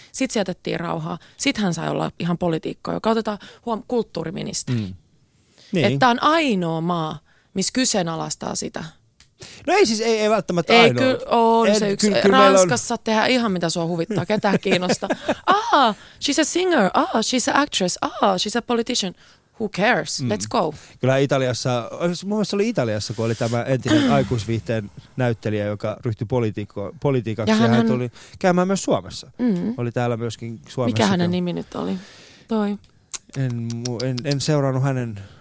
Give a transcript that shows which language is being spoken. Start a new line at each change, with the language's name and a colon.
Finnish: Sitten sijätettiin rauhaa. Sitten hän sai olla ihan politiikko, joka otetaan kulttuuriministeri. Niin. Että tämä on ainoa maa, missä kyseenalaistaa sitä. No ei siis, ei välttämättä ei, ainoa. Ranskassa tehdään ihan mitä sua huvittaa, ketään kiinnostaa.
English: Ah, she's a singer, ah, she's an actress, ah, she's a politician. Who cares? Let's go.
Finnish: Kyllä Italiassa, mun mielestä oli Italiassa, kun oli tämä entinen aikuisviihteen näyttelijä, joka ryhtyi politiikaksi. Ja hän tuli käymään myös Suomessa. Oli täällä myöskin Suomessa. Mikä hänen nimi nyt oli? Toi. En seurannut hänen